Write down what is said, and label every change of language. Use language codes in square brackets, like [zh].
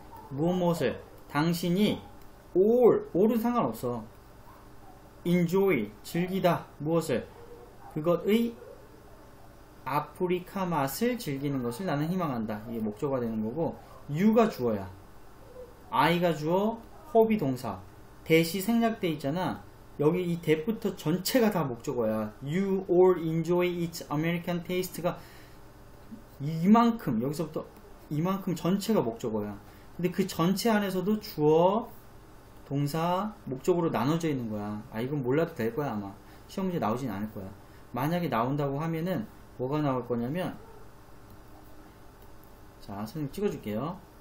[ko] 무엇을? 당신이 올은 상관없어. Enjoy. 즐기다. 무엇을? 그것의 아프리카 맛을 즐기는 것을 나는 희망한다. 이게 목적어가 되는 거고, you가 주어야. I가 주어, hope이 동사. 대시 생략돼 있잖아. 여기 이 that부터 전체가 다 목적어야. [en] You all enjoy its American taste가 [ko] 이만큼, 여기서부터 이만큼 전체가 목적어야. 근데 그 전체 안에서도 주어, 동사, 목적으로 나눠져 있는 거야. 아, 이건 몰라도 될 거야, 아마. 시험 문제 나오진 않을 거야. 만약에 나온다고 하면은 뭐가 나올 거냐면, 자, 선생님 찍어줄게요.